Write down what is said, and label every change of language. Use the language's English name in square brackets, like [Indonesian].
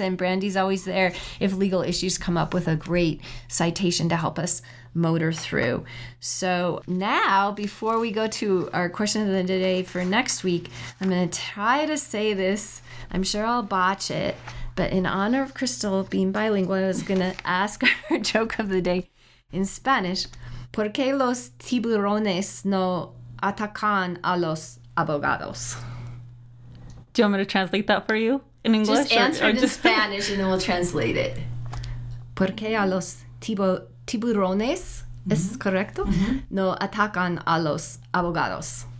[English] And Brandy's always there if legal issues come up with a great citation to help us motor through. So now, before we go to our question of the day for next week, I'm going to try to say this. I'm sure I'll botch it. But in honor of Crystal being bilingual, I was going to ask her joke of the day in Spanish. [Spanish] ¿Por qué los tiburones no atacan a los abogados? [English] Do you want me to translate that for you in English? Just answer it in Spanish and then we'll translate it. [Spanish] ¿Por qué a los tiburones, es correcto, no atacan a los abogados?